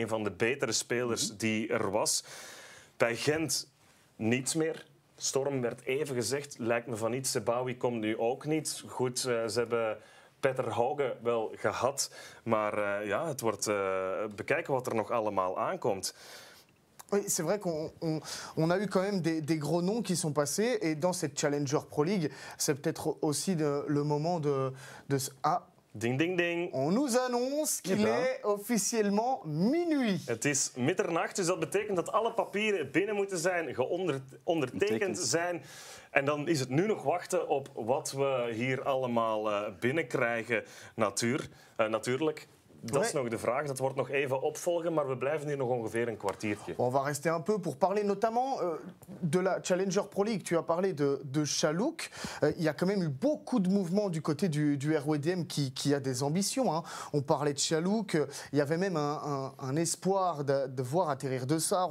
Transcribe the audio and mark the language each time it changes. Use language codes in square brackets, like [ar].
[nl] een van de betere spelers mm-hmm. die er was. Bij Gent niets meer. Storm werd even gezegd, lijkt me van niet. Sebaoui komt nu ook niet. Goed, ze hebben Petter Hauge wel gehad. Maar ja, het wordt bekijken wat er nog allemaal aankomt. [fr] Oui, c'est vrai qu'on a eu quand même des gros noms qui sont passés. Et dans cette Challenger Pro League, c'est peut-être aussi le moment de... Ah, ding, ding, ding. On nous annonce qu'il est officiellement minuit. [nl] Het is middernacht, dus dat betekent dat alle papieren binnen moeten zijn, ondertekend zijn. En dan is het nu nog wachten op wat we hier allemaal binnenkrijgen. Natuurlijk. Dat is nog de vraag. Dat wordt nog even opvolgen, maar we blijven hier nog ongeveer een kwartiertje. [fr] On va rester un peu pour parler notamment de la Challenger Pro League. Tu as parlé de Chalouk. Il y a quand même eu beaucoup de mouvements du côté du RWDM qui a des ambitions. Hein. On parlait de Chalouk. Il y avait même un espoir de voir atterrir de Sarre.